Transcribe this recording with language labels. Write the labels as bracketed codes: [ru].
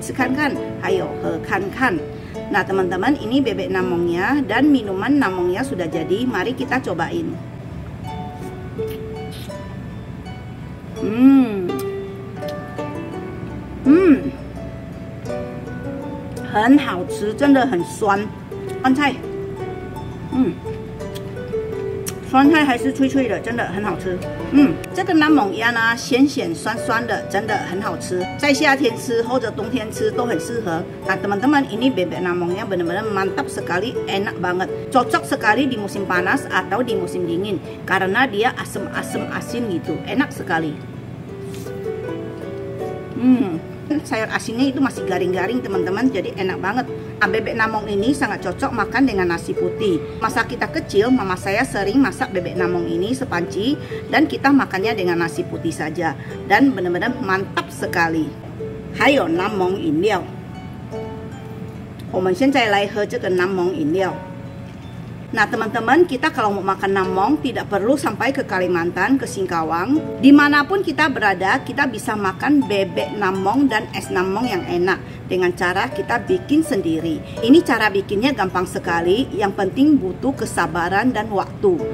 [zh] 那我们的南蒙芽还有南蒙饮料做好了，我们来吃看看，还有喝看看。 [id] Nah teman-teman, ini bebek namongnya dan minuman namongnya sudah jadi. Mari kita cobain. [zh] Hmm, 很好吃，真的很酸，酸菜，酸菜还是脆脆的，真的很好吃。这个南蒙芽呢，咸咸酸酸的，真的很好吃，在夏天吃或者冬天吃都很适合。 [id] Nah teman-teman, ini bebek namongnya benar-benar mantap sekali, enak banget, cocok sekali di musim panas atau di musim dingin karena dia asam-asam asin gitu, enak sekali. Sayur asinnya itu masih garing-garing teman-teman, jadi enak banget. Bebek namong ini sangat cocok makan dengan nasi putih. Masa kita kecil, mama saya sering masak bebek namong ini sepanci dan kita makannya dengan nasi putih saja. Dan benar-benar mantap sekali. Hayo namong inliao. [zh] 我们现在来喝这个南蒙饮料。 [id] Nah teman-teman, kita kalau mau makan namong tidak perlu sampai ke Kalimantan, ke Singkawang. Dimanapun kita berada, kita bisa makan bebek namong dan es namong yang enak dengan cara kita bikin sendiri. Ini cara bikinnya gampang sekali, yang penting butuh kesabaran dan waktu.